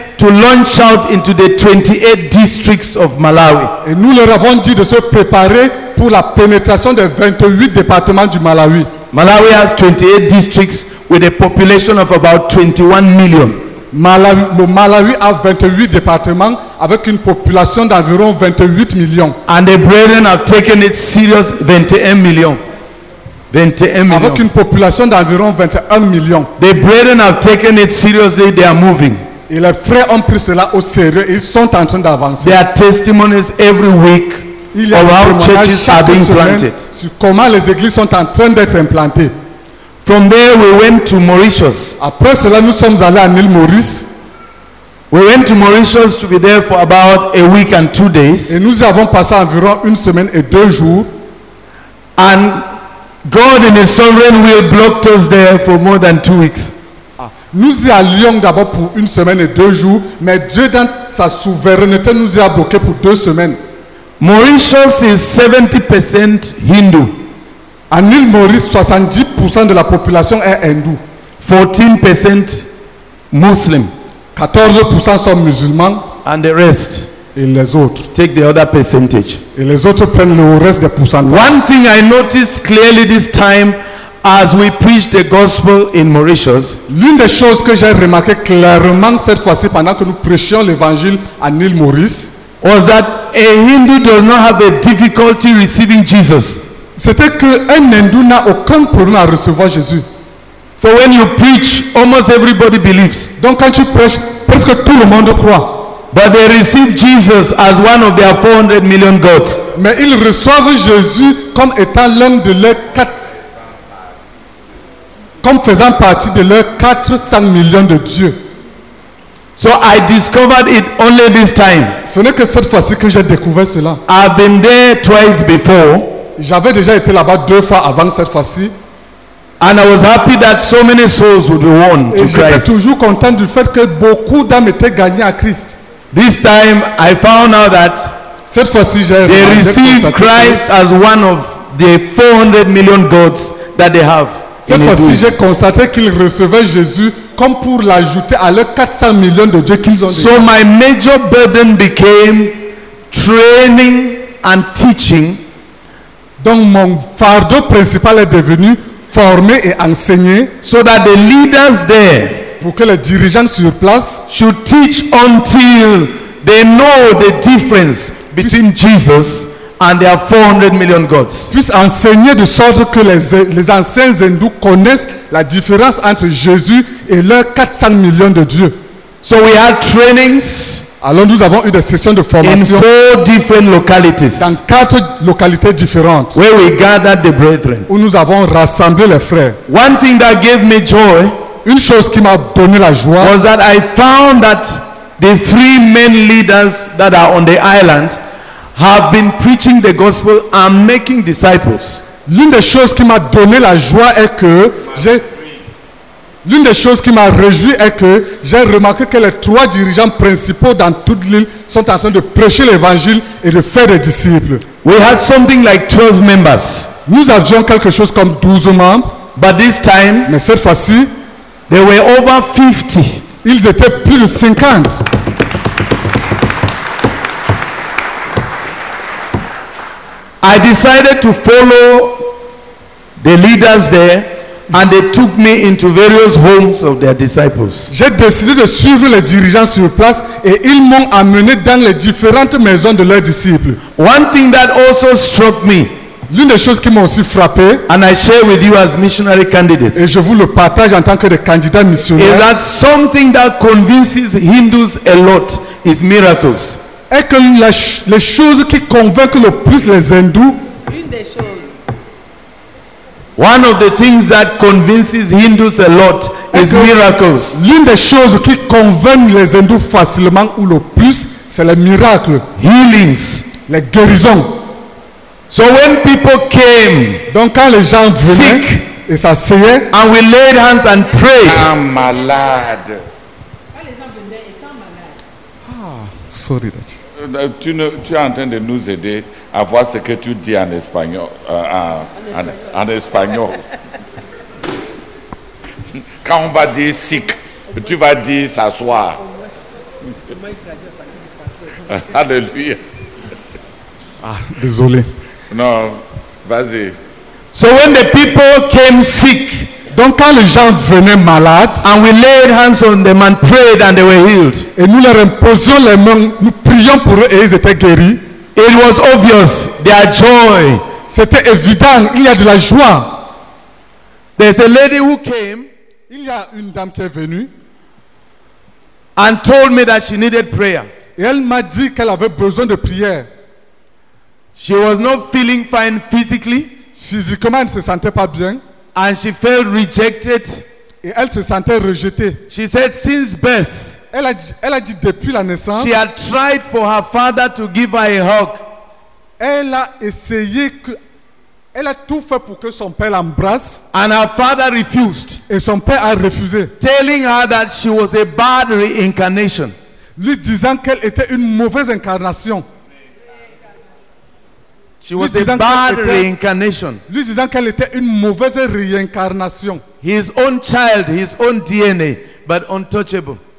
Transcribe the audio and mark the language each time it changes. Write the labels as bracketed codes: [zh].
[en] to launch out into the 28 districts of Malawi. [fr] Et nous leur avons dit de se préparer pour la pénétration des 28 départements du Malawi. [en] Malawi has 28 districts with a population of about 21 million. [fr] Malawi, le Malawi a 28 départements avec une population d'environ 28 millions. [en] And the brethren have taken it serious, 21 millions. 21 millions. [fr] Avec une population d'environ 21 millions. [en] The brethren have taken it seriously, they are moving. [fr] Et les frères ont pris cela au sérieux, ils sont en train d'avancer. [en] There are testimonies every week of how churches are being planted. [fr] Sur comment les églises sont en train d'être implantées. [en] From there we went to Mauritius. [fr] Après cela, nous sommes allés à l'île Maurice. [en] We went to Mauritius to be there for about a week and 2 days. [fr] Et nous avons passé environ une semaine et deux jours. [en] And God in his sovereign will blocked us there for more than 2 weeks. [fr] Nous y allions d'abord pour une semaine et deux jours, mais Dieu dans sa souveraineté nous y a bloqué pour 2 semaines. [en] Mauritius is 70% Hindu. [fr] En île Maurice, 70% de la population est hindou. [en] 14% Muslim. [fr] 14% sont musulmans. [en] And the rest. [fr] Et les autres. [en] Take the other percentage. [fr] Et les autres prennent le reste des pourcentages. [en] One thing I noticed clearly this time as we preach the gospel in Mauritius. [fr] L'une des choses que j'ai remarqué clairement cette fois-ci pendant que nous prêchions l'évangile en île Maurice. [en] Was that a Hindu does not have a difficulty receiving Jesus. [fr] C'était qu'un hindou n'a aucun problème à recevoir Jésus. [en] So when you preach, almost everybody believes. [fr] Donc quand tu prêches, presque tout le monde croit. [en] But they receive Jesus as one of their 400 million gods. [fr] Mais ils reçoivent Jésus comme étant l'un de leurs 4, comme faisant partie de leurs 400 millions de dieux. [en] So I discovered it only this time. [fr] Ce n'est que cette fois-ci que j'ai découvert cela. [en] I've been there twice before. [fr] J'avais déjà été là-bas deux fois avant cette fois-ci. [en] And I was happy that so many souls would be won to Christ. [fr] J'étais toujours content du fait que beaucoup d'âmes étaient gagnées à Christ. [en] This time I found out that [fr] cette fois-ci, j'ai [en] they received Christ as one of the 400 million gods that they have. [fr] Cette fois-ci, j'ai constaté qu'ils recevaient Jésus comme pour l'ajouter à leurs 400 millions de dieux qu'ils ont. [en] So my major burden became training and teaching. [fr] Donc mon fardeau principal est devenu former et enseigner. [en] So that the leaders there, [fr] pour que les dirigeants sur place, [en] should teach until they know the difference between Jesus and their 400 million gods. [fr] Puissent enseigner de sorte que les anciens hindous connaissent la différence entre Jésus et leurs 400 millions de dieux. [en] So we had trainings. [fr] Alors nous avons eu des sessions de formation [en] in 4 different localities, [fr] dans 4 localités différentes, [en] where we gathered the brethren, [fr] où nous avons rassemblé les frères. [en] One thing that gave me joy, [fr] une chose qui m'a donné la joie, [en] was that I found that the 3 main leaders that are on the island have been preaching the gospel and making disciples. [fr] L'une des choses qui m'a donné la joie est que j'ai L'une des choses qui m'a réjoui est que j'ai remarqué que les 3 dirigeants principaux dans toute l'île sont en train de prêcher l'évangile et de faire des disciples. [en] We had something like 12 members. [fr] Nous avions quelque chose comme 12 membres. [en] But this time, [fr] mais cette fois-ci, [en] they were over 50. [fr] Ils étaient plus de 50. [en] I decided to follow the leaders there. And they took me into various homes of their disciples. [fr] J'ai décidé de suivre les dirigeants sur place et ils m'ont amené dans les différentes maisons de leurs disciples. [en] One thing that also struck me, [fr] l'une des choses qui m'a aussi frappé, [en] and I share with you as missionary candidates, [fr] et je vous le partage en tant que candidat missionnaire, [en] is that something that convinces Hindus a lot is miracles. [fr] Et que les choses qui convainquent le plus les hindous, [en] one of the things that convinces Hindus a lot is miracles. [fr] L'une des choses qui convainc les hindous facilement ou le plus, c'est les miracles, [en] healings, [fr] les guérisons. [en] So when people came, [fr] donc quand les gens venaient et s'asseyaient, [en] and we laid hands and prayed, I'm malade. [fr] Quand les gens venaient et étant malade. [en] Ah, sorry that. [fr] Tu es en train de nous aider à voir ce que tu dis en espagnol. En espagnol. Quand on va dire sick, tu vas dire s'asseoir. [en] Hallelujah. [fr] Ah, désolé. Non, vas-y. [en] So when the people came sick, [fr] donc quand les gens venaient malades, [en] and we laid hands on them and prayed and they were healed. [fr] Et nous leur imposions les mains, nous prions pour eux et ils étaient guéris. [en] It was obvious their joy. [fr] C'était évident, il y a de la joie. [en] There's a lady who came. [fr] Il y a une dame qui est venue. [en] And told me that she needed prayer. [fr] Et elle m'a dit qu'elle avait besoin de prière. [en] She was not feeling fine physically. [fr] Physiquement, elle ne se sentait pas bien. [en] And she felt rejected. [fr] Et elle se sentait rejetée. [en] She said since birth. [fr] Elle a dit depuis la naissance. [en] She had tried for her father to give her a hug. [fr] Elle a essayé que. Elle a tout fait pour que son père l'embrasse. [en] And her father refused. [fr] Et son père a refusé. [en] Telling her that she was a bad reincarnation. [fr] Lui disant qu'elle était une mauvaise incarnation. [en] She was a bad reincarnation. [fr] Lui disant qu'elle était une mauvaise réincarnation. [en] His own child, his own DNA, but untouchable.